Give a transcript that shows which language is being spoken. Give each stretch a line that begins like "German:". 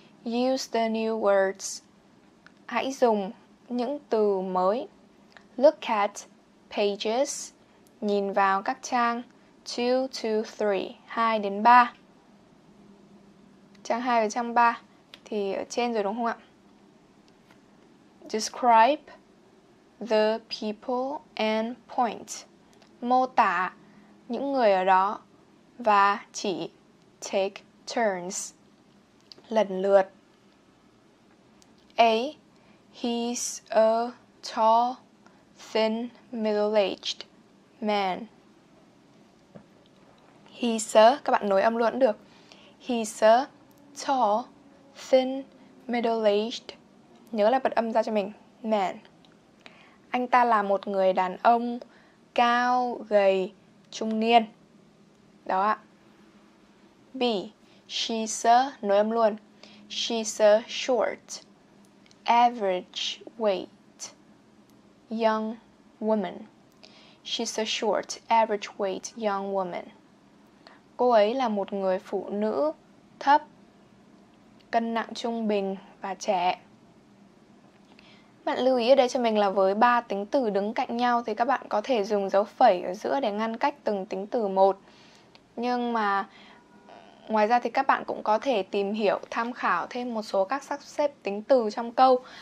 English: Use the new words.
Vietnamese: Hãy dùng những từ mới.
English: Look at pages.
Vietnamese: Nhìn vào các trang 2 to 3. 2 đến 3. Trang 2 và trang 3 thì ở trên rồi đúng không ạ?
English: Describe the people and point.
Vietnamese: Mô tả những người ở đó và chỉ,
English: take turns,
Vietnamese: lần lượt.
English: A. He's a tall, thin, middle-aged man.
Vietnamese: He's a, các bạn nối âm luôn được.
English: He's a tall, thin, middle-aged,
Vietnamese: nhớ là bật âm ra cho mình, man. Anh ta là một người đàn ông cao, gầy, trung niên. Đó ạ. B.
English: She's a,
Vietnamese: nối âm luôn,
English: she's a short, average weight young woman. She's a short, average weight young woman.
Vietnamese: Cô ấy là một người phụ nữ thấp, cân nặng trung bình và trẻ. Bạn lưu ý ở đây cho mình là với ba tính từ đứng cạnh nhau thì các bạn có thể dùng dấu phẩy ở giữa để ngăn cách từng tính từ một. Nhưng mà ngoài ra thì các bạn cũng có thể tìm hiểu, tham khảo thêm một số các sắp xếp tính từ trong câu.